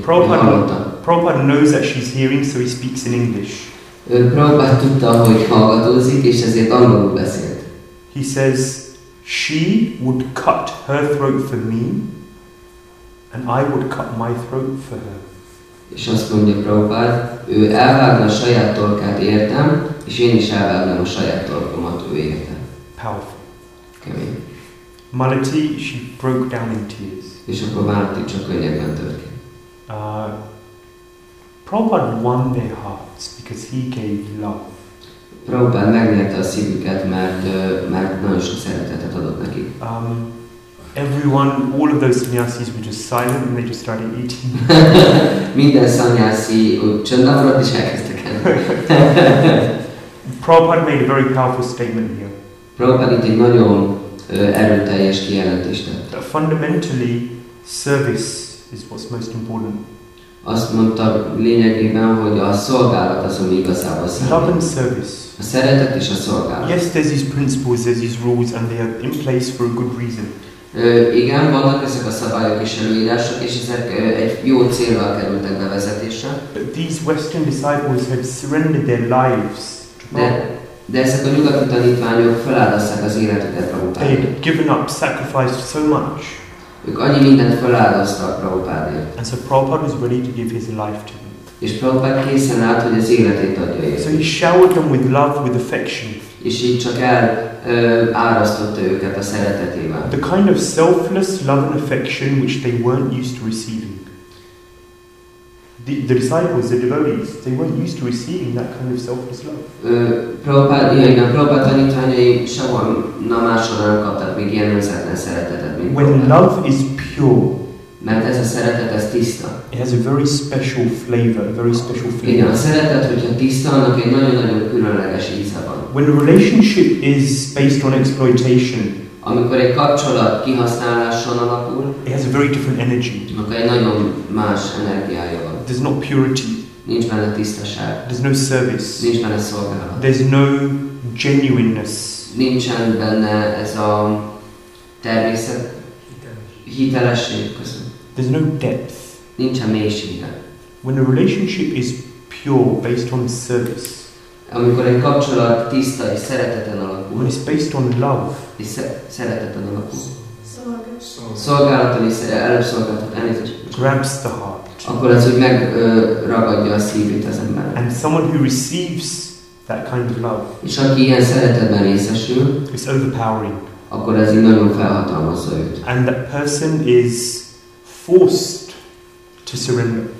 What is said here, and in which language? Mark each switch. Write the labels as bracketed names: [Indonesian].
[English] Prabhupada knows that she's hearing, so he speaks in English. [Hungarian] Prabhupada tudta, hogy hallgatózik, és ezért angolul beszélt. [English] He says, she would cut her throat for me, and I would cut my throat for her. [Hungarian] És azt mondja Prabhupada, ő elvágna a saját torkát értem, és én is elvágnám a saját torkomat ő értem. [English] Powerful. [Hungarian] Kemény. [English] Malati, she broke down in tears. [Hungarian] És akkor Malati csak könnyekben tört ki. [English] Prabhupada won their hearts because he gave love. [Hungarian] Prabhupada megnyerte a szívüket, mert nagyon sok szeretetet adott neki. [English] Everyone, all of those sannyasis were just silent and they just started eating. [Hungarian] Minden sannyasi csöndben maradt és elkezdtek enni. [English] Prabhupada made a very powerful statement here. [Hungarian] Prabhupada itt egy nagyon erőteljes kijelentést tett. [English] But fundamentally, service is what's most important. [Hungarian] Azt mondta lényegében, hogy a szolgálat az, ami igazából számít. [English] Love and service. [Hungarian] A szeretet és a szolgálat. [English] Yes, there's these principles, there's these rules, and they are in place for a good reason. [Hungarian] Igen, vannak ezek a szabályok és előírások, és ezek egy jó célra kerültek bevezetésre. [English] But these Western disciples have surrendered their lives. [Hungarian] De ezek a nyugati tanítványok feláldozták az életüket Prabhupádért. [English] They had given up, sacrificed so much. [Hungarian] Ők annyi mindent feláldoztak Prabhupádért. [English] And so Prabhupada was ready to give his life to them. [Hungarian] És Prabhupada készen állt, hogy az életét adja értük. [English] So he showered them with love, with affection. [Hungarian] És így csak árasztotta őket a szeretetével. [English] The kind of selfless love and affection which they weren't used to receiving. The disciples, the devotees, they weren't used to receiving that kind of selfless love. [Hungarian] Prabhupada tanítványai soha nem másodán kaptak még ilyen önszentelen szeretetet, mint [English] when love is pure, [Hungarian] mert ez a szeretet, ez tiszta. [English] It has a very special flavor, a very special feeling. [Hungarian] Igen, a szeretet, hogyha tiszta, annak egy nagyon-nagyon különleges íze van. [English] When a relationship is based on exploitation, [Hungarian] amikor egy kapcsolat kihasználáson alapul, [English] it has a very different energy. [Hungarian] Akkor egy nagyon más energiája van. [English] There's no purity. [Hungarian] Nincs benne tisztaság. [English] There's no service. [Hungarian] Nincs benne szolgálat. [English] There's no genuineness. [Hungarian] Nincsen benne ez a természet. Hitelesség, köszönöm. [English] There's no depth. [Hungarian] Nincsen mélysége. [English] When a relationship is pure, based on service. [Hungarian] Amikor egy kapcsolat tiszta és szereteten alakul. [English] When it's based on love. [Hungarian] És szereteten alakul. Szolgálaton is előbb szolgáltat. [English] Grabs the heart. [Hungarian] Akkor az, hogy megragadja a szívét az ember. [English] And someone who receives that kind of love. [Hungarian] És aki ilyen szeretetben részesül. [English] It's overpowering. [Hungarian] Akkor ez így nagyon felhatalmazza őt. [English] And that person is forced to surrender.